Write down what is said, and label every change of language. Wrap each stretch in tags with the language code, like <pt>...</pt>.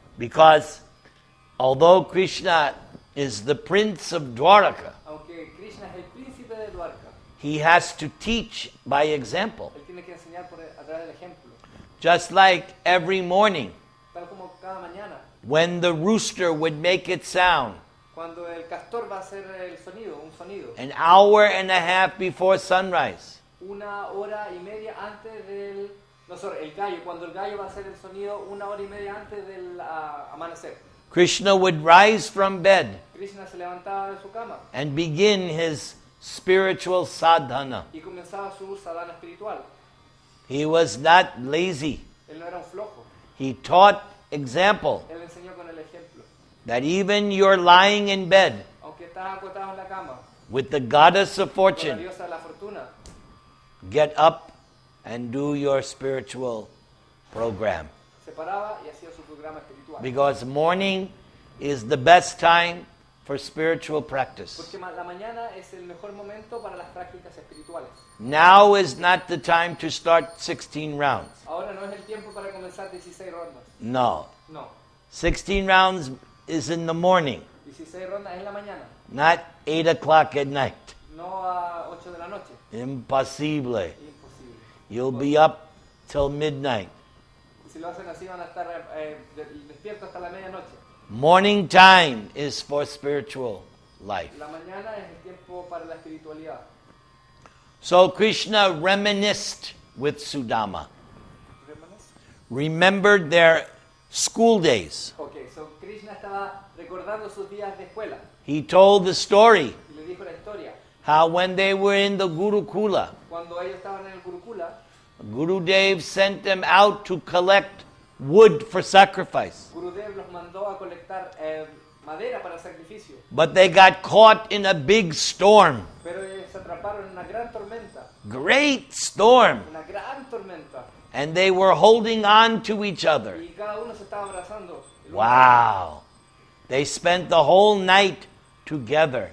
<en>Because although Krishna is the prince of Dwaraka,</en> <es>aunque Krishna es el príncipe de Dwaraka,</es> <en>he has to teach by example.</en> <es>Él tiene que enseñar por, a través del ejemplo.</es> <en>Just like every morning,</en> <es>tal como cada mañana,</es> <en>when the rooster would make its sound,</en> <es>cuando el castor va a hacer el sonido, un sonido.</es> <en>An hour and a half before sunrise.</en> <es>Una hora y media antes del, no,</es> <en>sorry,</en> <es>el gallo. Cuando el gallo va a hacer el sonido, una hora y media antes del amanecer.</es> <en>Krishna would rise from bed.</en> <es>Krishna se levantaba de su cama.</es> <en>And begin his spiritual sadhana.</en> <es>Y comenzaba su sadhana espiritual.</es> <en>He was not lazy.</en> <es>Él no era un flojo.</es> <en>He taught example.</en> <es>Él enseñó con el ejemplo.</es> <en>That even you're lying in bed,</en> <es>aunque estás acostado en la cama,</es> <en>with the goddess of fortune,</en> <es>con la diosa de la fortuna,</es> <en>get up and do your spiritual program.</en> <es>Se paraba y hacía su programa espiritual.</es> <en>Because morning is the best time for spiritual practice.</en> <es>Porque la mañana es el mejor momento para las prácticas espirituales.</es> <en>Now is not the time to start 16 rounds.</en> <es>Ahora no es el tiempo para comenzar 16 rondas.</es> <en>No.</en> <es>No.</es> <en>16 rounds is in the morning.</en> <es>16 rondas en la mañana.</es> <en>Not 8 o'clock at night.</en> <es>No a 8 de la noche.</es> <en>Impossible. Impossible. You'll be up till midnight.</en> <es>Si lo hacen así, van a estar despierto hasta la medianoche.</es> <en>Morning time is for spiritual life.</en> <es>La mañana es el tiempo para la espiritualidad.</es> <en>So Krishna reminisced with Sudama. Remembered their school days.</en> <es>Okay, so Krishna estaba recordando sus días de escuela.</es> <en>He told the story.</en> <es>Y le dijo la historia.</es> <en>How when they were in the Gurukula,</en> <es>cuando ellos estaban en el Gurukula,</es> <en>Gurudev sent them out to collect wood for sacrifice.</en> <es>Gurudev los mandó a colectar madera para sacrificio.</es> <en>But they got caught in a big storm.</en> <es>Pero se atraparon en una gran tormenta.</es> <en>Great storm.</en> <es>Una gran tormenta.</es> <en>And they were holding on to each other.</en> <es>Y cada uno se estaba abrazando.</es> <en>Wow. They spent the whole night together.</en>